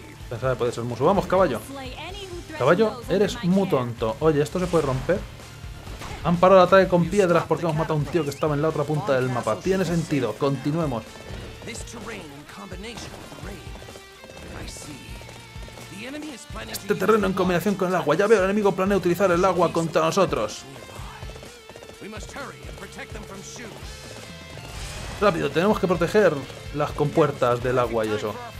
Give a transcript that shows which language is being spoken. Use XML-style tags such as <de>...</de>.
<es>Pensaba que podía ser musu. ¡Vamos, caballo! Caballo, eres muy tonto. Oye, ¿esto se puede romper? Han parado el ataque con piedras porque hemos matado a un tío que estaba en la otra punta del mapa. Tiene sentido. Continuemos.</es> <en>This terrain in combination with rain. I see. The enemy is planning.</en> <es>Este terreno en combinación con el agua. Ya veo, el enemigo planea utilizar el agua contra nosotros.</es> <en>We must hurry and protect them from Shu.</en> <es>Rápido, tenemos que proteger las compuertas del agua y eso.</es>